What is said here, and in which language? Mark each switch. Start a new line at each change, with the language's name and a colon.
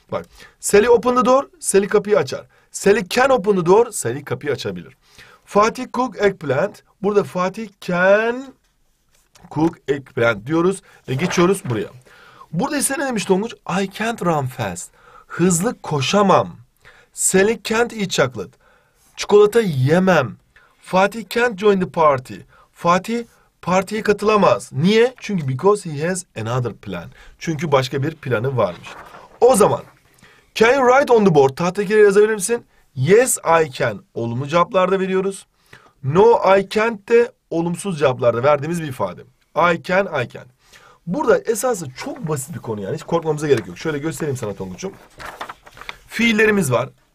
Turkish: Bak
English: Sally open the door,
Turkish: Sally kapıyı açar.
English: Sally can open the door,
Turkish: Sally kapıyı açabilir.
English: Fatih cook eggplant.
Turkish: Burada
English: Fatih can cook eggplant
Turkish: diyoruz. Ve geçiyoruz buraya. Burada ise ne demiş Tonguç?
English: I can't run fast.
Turkish: Hızlı koşamam.
English: Sally can't eat chocolate.
Turkish: Çikolata yemem.
English: Fatih can't join the party.
Turkish: Fatih partiye katılamaz. Niye? Çünkü
English: because he has another plan.
Turkish: Çünkü başka bir planı varmış. O zaman
English: can you write on the board?
Turkish: Tahtakire yazabilir misin?
English: Yes I can.
Turkish: Olumlu cevaplarda veriyoruz.
English: No I can't
Turkish: de olumsuz cevaplarda verdiğimiz bir ifade.
English: I can, I can.
Turkish: Burada esası çok basit bir konu yani. Hiç korkmamıza gerek yok. Şöyle göstereyim sana Tonguç'um. Fiillerimiz var.